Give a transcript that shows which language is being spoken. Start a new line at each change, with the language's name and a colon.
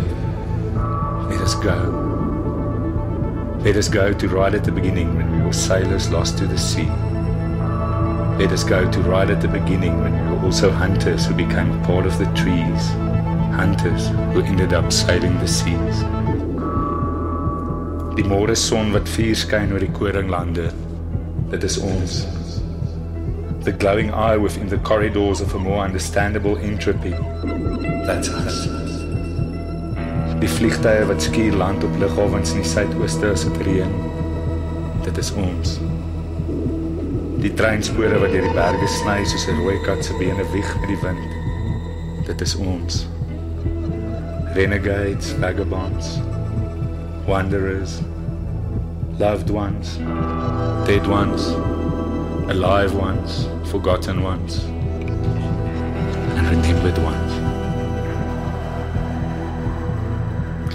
English: Let us go. Let us go to right at the beginning when we were sailors lost to the sea. Let us go to right at the beginning when we were also hunters who became part of the trees. Hunters who ended up sailing the seas.
Afrikaans: Die môre son wat vuur skyn oor die koringlande, dit is ons.
English: The glowing eye within the corridors of a more understandable entropy, that's us.
Afrikaans: Die vliegtuie wat skier land op lughawens in die suidooste as dit reën. Dit is ons. Die treinspore wat deur die berge sny soos 'n rooi kat se bene wieg in die wind. Dit is ons.
English: Renegades, vagabonds, wanderers, loved ones, dead ones, alive ones, forgotten ones, and remembered ones.